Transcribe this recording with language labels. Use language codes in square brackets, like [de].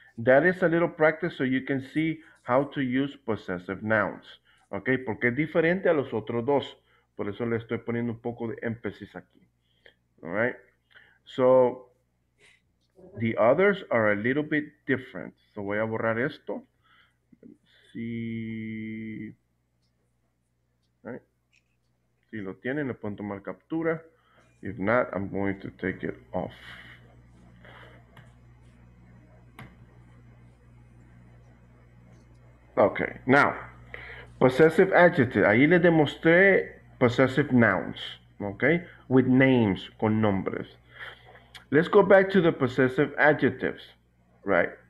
[en] That is a little practice so you can see how to use possessive nouns. [es] Okay? Porque es diferente a los otros dos. Por eso le estoy poniendo un poco de énfasis aquí. [en] All right? So, the others are a little bit different. [es] So, voy a borrar esto. [en] Let's see. [es] Right? Si lo tienen, le pueden tomar captura. [en] If not, I'm going to take it off. Okay, now, possessive adjective. [es] Ahí les demostré [en] possessive nouns, okay? With names, [es] con nombres. [en] Let's go back to the possessive adjectives, right?